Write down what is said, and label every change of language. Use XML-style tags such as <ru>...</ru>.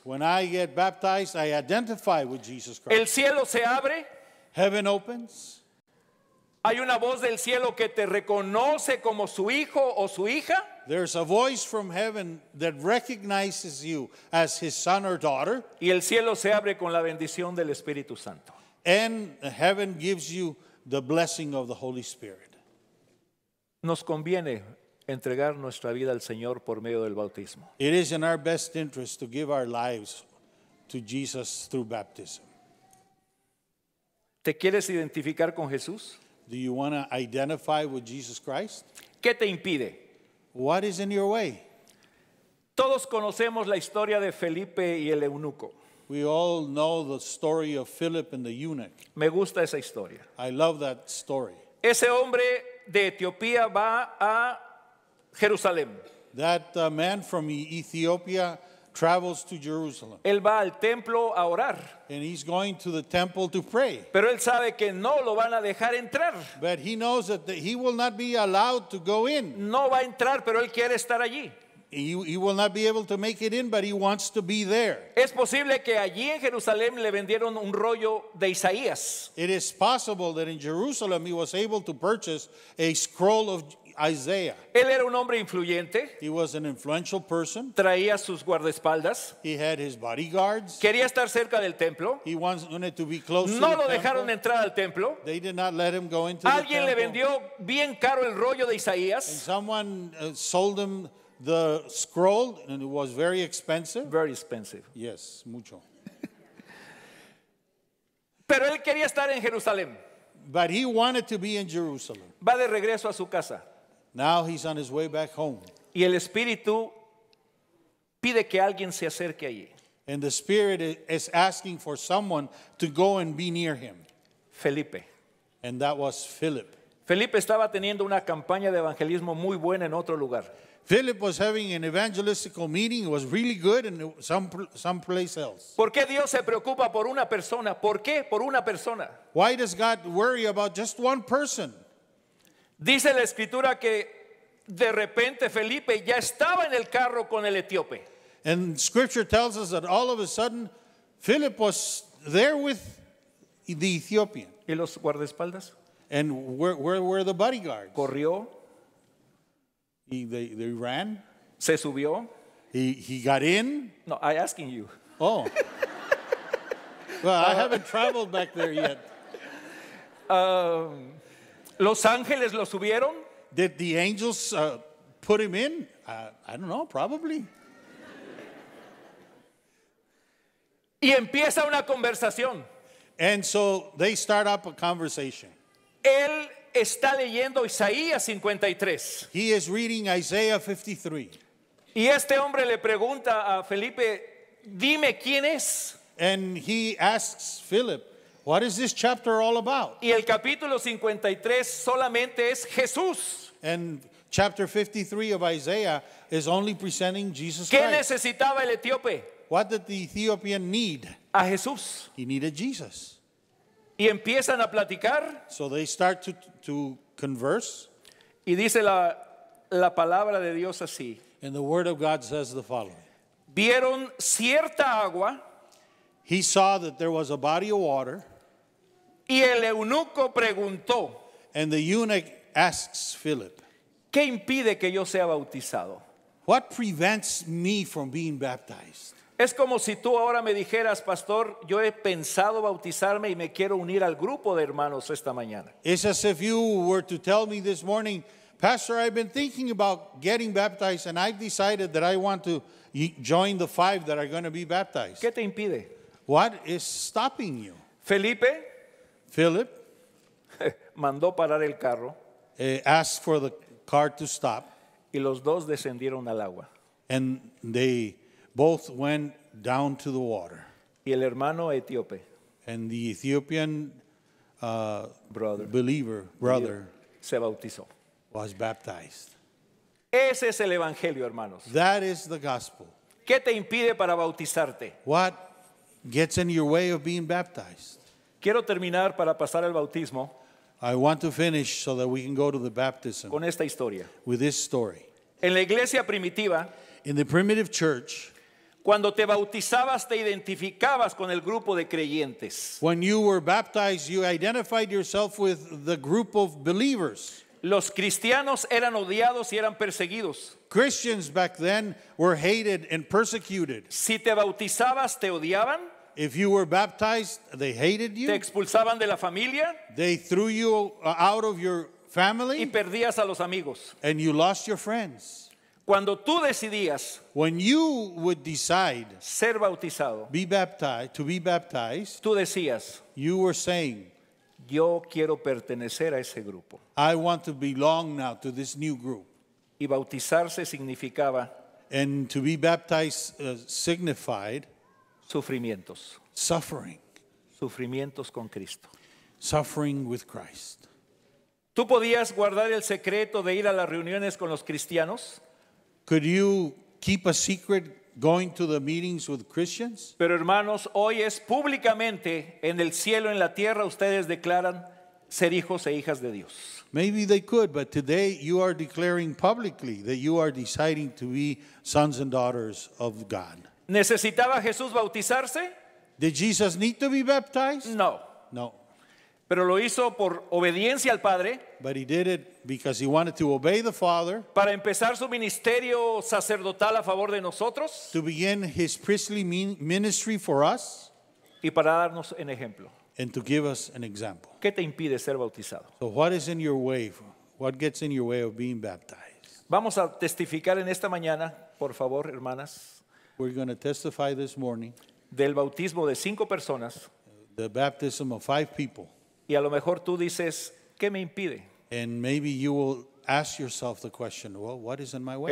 <en>When I get baptized, I identify with Jesus Christ.</en> <es>El cielo se abre.</es> <en>Heaven opens.</en> <es>Hay una voz del cielo que te reconoce como su hijo o su hija.</es> <en>There's a voice from heaven that recognizes you as his son or daughter.</en> <es>Y el cielo se abre con la bendición del Espíritu Santo.</es> <en>And heaven gives you the blessing of the Holy Spirit.</en> <es>Nos conviene entregar nuestra vida al Señor por medio del bautismo.</es> <en>It is in our best interest to give our lives to Jesus through baptism.</en> <es>¿Te quieres identificar con Jesús?</es> <en>Do you want to identify with Jesus Christ?</en> <es>¿Qué te impide?</es> <en>What is in your way?</en> <es>Todos conocemos la historia de Felipe y el eunuco.</es> <en>We all know the story of Philip and the eunuch.</en> <es>Me gusta esa historia.</es> <en>I love that story.</en> <es>Ese hombre de Etiopía va a Jerusalén.</es> <en>That man from Ethiopia travels to Jerusalem.</en> <es>Él va al templo a orar.</es> <en>And he's going to the temple to pray.</en> <es>Pero él sabe que no lo van a dejar entrar.</es> <en>But he knows that he will not be allowed to go in.</en> <es>No va a entrar, pero él quiere estar allí.</es> <en>He will not be able to make it in, but he wants to be there.</en> <es>Es posible que allí en Jerusalén le vendieron un rollo de Isaías.</es> <en>It is possible that in Jerusalem he was able to purchase a scroll of Isaiah.</en> <es>Él era un hombre influyente.</es> <en>He was an influential person.</en> <es>Traía sus guardaespaldas.</es> <en>He had his bodyguards.</en> <es>Quería estar cerca del templo.</es> <en>He wanted to be close</en> <es>no</es> <en>to</en> <es>lo</es> <en>the</en> <es>dejaron</es> <en>temple.</en> <es>Entrar al templo.</es> <en>They did not let him go into</en> <es>Alguien</es> <en>the temple.</en> <es>Alguien le vendió bien caro el rollo de Isaías.</es> <en>And someone sold him the scroll, and it was very expensive. Very expensive. Yes,</en> <es>mucho. Pero él quería estar en Jerusalén.</es> <en>But he wanted to be in Jerusalem.</en> <es>Va de regreso a su casa.</es> <en>Now he's on his way back home.</en> <es>Y el Espíritu pide que alguien se acerque allí.</es> <en>And the Spirit is asking for someone to go and be near him.</en> <es>Felipe.</es> <en>And that was Philip.</en> <es>Felipe estaba teniendo una campaña de evangelismo muy buena en otro lugar.</es> <en>Philip was having an evangelistical meeting. It was really good in some place else.</en> <es>¿Por qué Dios se preocupa por una persona? ¿Por qué? Por una persona.</es> <en>Why does God worry about just one person?</en> <es>Dice la escritura que de repente Felipe ya estaba en el carro con el etíope.</es> <en>And scripture tells us that all of a sudden Philip was there with the Ethiopian.</en> <es>¿Y los guardaespaldas?</es> <en>And where were the bodyguards?</en> <es>Corrió.</es> <en>They ran.</en> <es>Se subió.</es> <en>He got in. No, I'm asking you. Oh. Well, I haven't traveled back there yet.</en> <es>Los ángeles lo subieron.</es> <en>Did the angels put him in? I don't know, probably.</en> <es>Y empieza una conversación.</es> <en>And so they start up a conversation.</en> <es>Él está leyendo Isaías 53.</es> <en>He is reading Isaiah 53.</en> <es>Y este hombre le pregunta a Felipe, dime quién es.</es> <en>And he asks Philip, what is this chapter all about?</en> <es>Y el capítulo 53 solamente es Jesús.</es> <en>And chapter 53 of Isaiah is only presenting Jesus</en> <es>¿Qué</es> <en>Christ.</en> <es>¿Qué necesitaba el etíope?</es> <en>What did the Ethiopian need?</en> <es>A Jesús.</es> <en>He needed Jesus.</en> <es>Y empiezan a platicar.</es> <en>So they start to converse.</en> <es>Y dice la palabra de Dios así.</es> <en>And the word of God says the following.</en> <es>Vieron cierta agua.</es> <en>He saw that there was a body of water.</en> <es>Y el eunuco preguntó.</es> <en>And the eunuch asks Philip.</en> <es>¿Qué impide que yo sea bautizado?</es> <en>What prevents me from being baptized?</en> <es>Es como si tú ahora me dijeras, pastor, yo he pensado bautizarme y me quiero unir al grupo de hermanos esta mañana.</es> <en>It's as if you were to tell me this morning, pastor, I've been thinking about getting baptized and I've decided that I want to join the five that are going to be baptized.</en> <es>¿Qué te impide?</es> <en>What is stopping you?</en> <es>Felipe.</es> <en>Philip.</en> <es>Mandó parar el carro.</es> <en>Asked for the car to stop.</en> <es>Y los dos descendieron al agua.</es> <en>And they both went down to the water.</en> <es>Y el hermano etíope.</es> <en>And the Ethiopian brother</en> <es>se bautizó.</es> <en>Was baptized.</en> <es>Ese es el evangelio, hermanos.</es> <en>That is the gospel.</en> <es>¿Qué te impide para bautizarte?</es> <en>What gets in your way of being baptized?</en> <es>Quiero terminar para pasar al bautismo.</es> <en>I want to finish so that we can go to the baptism.</en> <es>Con esta historia.</es> <en>With this story.</en> <es>En la iglesia primitiva,</es> <en>in the primitive church,</en> <es>cuando te bautizabas te identificabas con el grupo de creyentes.</es> <en>When you were baptized, you identified yourself with the group of believers.</en> <es>Los cristianos eran odiados y eran perseguidos.</es> <en>Christians back then were hated and persecuted.</en> <es>Si te bautizabas, te odiaban.</es> <en>If you were baptized, they hated you.</en> <es>Te expulsaban de la familia.</es> <en>They threw you out of your family.</en> <es>Y perdías a los amigos.</es> <en>And you lost your friends.</en> <es>Cuando tú decidías,</es> <en>when you would decide,</en> <es>ser bautizado,</es> <en>be baptized, to be baptized,</en> <es>tú decías,</es> <en>you were saying,</en> <es>yo quiero pertenecer a ese grupo.</es> <en>I want to belong now to this new group.</en> <es>Y bautizarse significaba,</es> <en>and to be baptized signified,</en> <es>sufrimientos.</es> <en>Suffering.</en> <es>Sufrimientos con Cristo.</es> <en>Suffering with Christ.</en> <es>¿Tú podías guardar el secreto de ir a las reuniones con los cristianos?</es> <en>Could you keep a secret going to the meetings with Christians?</en> <es>Pero hermanos, hoy es públicamente en el cielo, en la tierra, ustedes declaran ser hijos e hijas de Dios.</es> <en>Maybe they could, but today you are declaring publicly that you are deciding to be sons and daughters of God.</en> <es>¿Necesitaba Jesús bautizarse?</es> <en>Did Jesus need to be baptized?</en> <es>No.</es> <en>No.</en> <es>Pero lo hizo por obediencia al Padre.</es> <en>But he did it because he wanted to obey the Father.</en> <es>Para empezar su ministerio sacerdotal a favor de nosotros.</es> <en>To begin his priestly ministry for us.</en> <es>Y para darnos un ejemplo.</es> <en>And to give us an example.</en> <es>¿Qué te impide ser bautizado?</es> <en>So what is in your way? What gets in your way of being baptized?</en> <es>Vamos a testificar en esta mañana, por favor, hermanas.</es> <en>We're going to testify this morning.</en> <es>Del bautismo de cinco personas.</es> <en>The baptism of five people.</en> <es>Y a lo mejor tú dices, ¿qué me impide?</es> <en>And maybe you will ask yourself the question, well, what is in my way?</en>